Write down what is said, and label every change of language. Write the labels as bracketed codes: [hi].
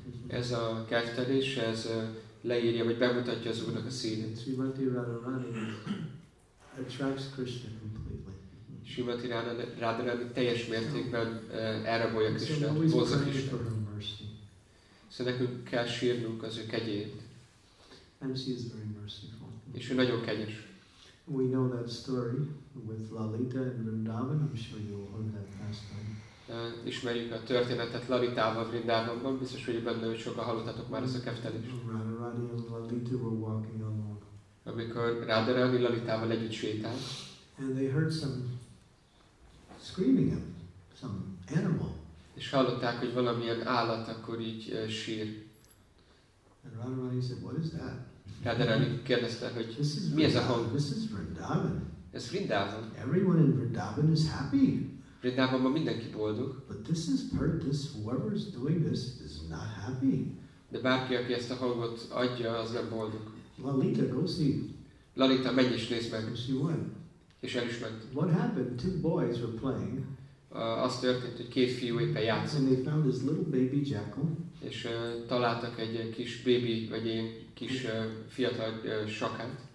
[hu] Ez a kertelés, ez leírja, vagy bemutatja az Úrnak a színét. [en] Srimati Radharani attracts Krishna completely. [hu] Srimati Radharani teljes mértékben elrabolja Krishnát, hozza Krishnát. Szóval nekünk kell sírnunk az ő kegyét. [en] And she is very merciful. [hu] És ő nagyon kegyes. [en] We know that story with Lalita and Vrindavan. I'm sure you all heard that last time. [hu] Ismerjük a történetet Lalitával Vrindávonban, biztos, hogy benne, hogy sokan hallottatok már ezt a keftelést. Amikor Radharani Lalitával együtt sétál. [en] And they heard some screaming of some animal. [hu] És hallották, hogy valamilyen állat akkor így sír. [en] And Radharani said, what is that? [hu] Radharani kérdezte, hogy mi ez a hang? [en] This is Vrindavan. [hu] Ez Vrindavan. [en] Everyone in Vrindavan is happy. [hu] Vrindávonban mindenki boldog. [en] But this is part, this whoever's doing this is not happy. [hu] De bárki, aki ezt a hangot adja, az nem boldog. [en] Lalita, go see. [hu] Lalita, menj és nézd meg. [en] She went. [hu] És el is ment. [en] What happened? Two boys were playing. [hu] Az történt, hogy két fiú éppen játszott. [en] And they found this little baby jackal. [hu] És találtak egy kis baby, vagy egy kis fiatal sakát.